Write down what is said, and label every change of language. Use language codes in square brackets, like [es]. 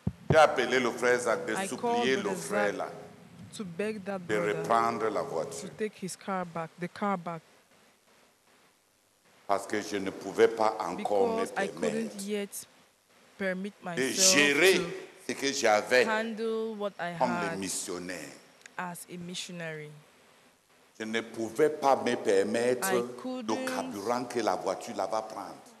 [fr] J'ai appelé le frère Zach de supplier le frère là de reprendre la voiture. [en] To take his car back, the car back. [fr] Parce que je ne pouvais pas encore me permettre de gérer ce que j'avais comme le missionnaire. [en] As a missionary. [fr] Je ne pouvais pas me permettre le carburant que la voiture la va prendre.